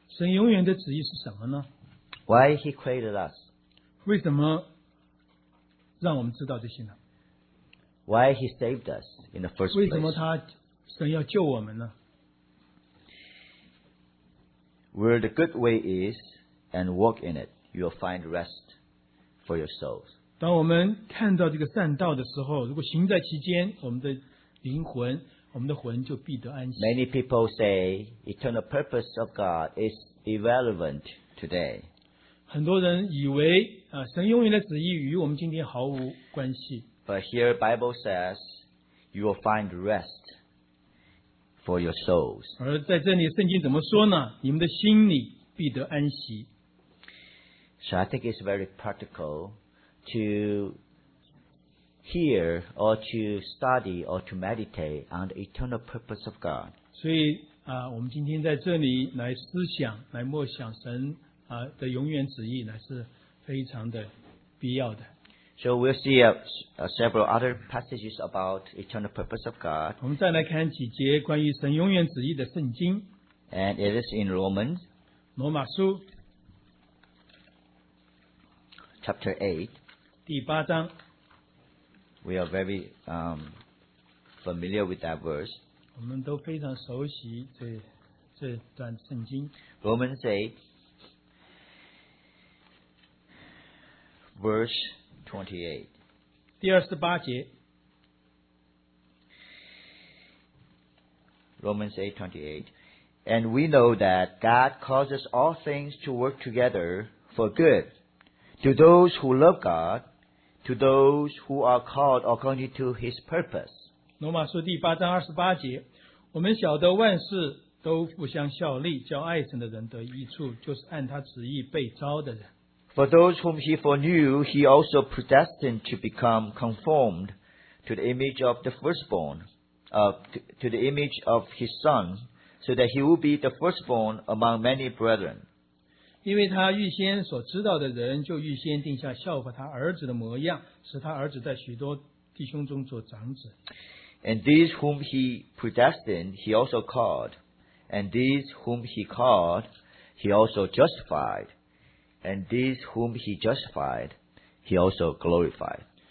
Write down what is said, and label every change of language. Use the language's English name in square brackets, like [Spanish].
[Chinese] 神永远的旨意是什么呢？ [English] Why he created us? [Chinese] 为什么让我们知道这些呢？ [English] Why he saved us in the first place? [Chinese] 为什么他神要救我们呢？ [English] Where the good way is and walk in it, you will find rest for your souls. [Chinese] 当我们看到这个善道的时候，如果行在其间，我们的灵魂，我们的魂就必得安息。 [English] Many people say eternal purpose of God is irrelevant today. [Chinese] 很多人以为神永远的旨意与我们今天毫无关系。 [English] But here Bible says, you will find rest for your souls. [Chinese] 而在这里圣经怎么说呢？你们的心里必得安息。 [English] So I think it's very practical to hear or to study or to meditate on the eternal purpose of God. [Chinese] 所以我们今天在这里来思想，来默想神的永远旨意呢，是非常的必要的。 [English] So we'll see several other passages about eternal purpose of God. [Chinese] 我们再来看几节关于神永远旨意的圣经。 [English] And it is in Romans. [Chinese] 罗马书。 [English] Chapter 8. [Chinese] 第八章。 [English] We are very familiar with that verse. [Chinese] 我们都非常熟悉这段圣经。 [English] Romans 8. Verse 28. [Chinese] 第28节。 [English] Romans 8, 28. And we know that God causes all things to work together for good to those who love God, to those who are called according to his purpose. [Chinese] 罗马书第八章二十八节，我们晓得万事都互相效力，叫爱神的人得益处，就是按他旨意被召的人。 [English] For those whom he foreknew, he also predestined to become conformed to the image of the firstborn, to the image of his son, so that he will be the firstborn among many brethren. [Chinese] 因为他预先所知道的人，就预先定下效法他儿子的模样，使他儿子在许多弟兄中做长子。 [English] And these whom he predestined, he also called. And these whom he called, he also justified. And these whom he justified, he also glorified.